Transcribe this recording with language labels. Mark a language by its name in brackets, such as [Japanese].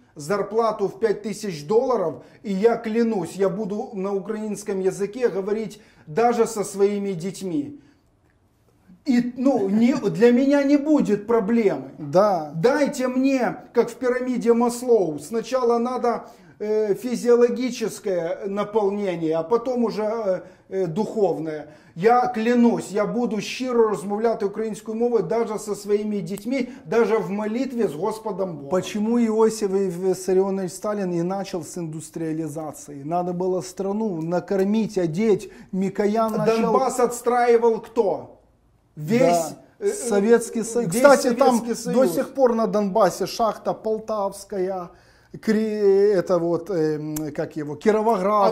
[Russian] Зарплату в $5000, и я клянусь, я буду на украинском языке говорить даже со своими детьми. И, ну, не, для меня не будет проблемы. Да. Дайте мне, как в пирамиде Маслоу, сначала надо физиологическое наполнение, а потом уже духовное. [Ukrainian] Я клянусь, я буду щиро розмовляти українською мовою [Russian] даже [Ukrainian] со своїми дітьми, даже в молитві з Господом Богом. [Russian] Почему Иосиф Виссарионович Сталин не начал с индустриализации? Надо было страну накормить, одеть. Микоян начал... Донбасс отстраивал кто? Весь... Да. Советский Союз. Весь Кстати, Советский там Союз. До сих пор на Донбассе шахта Полтавская, это вот, как его, Кировоградская.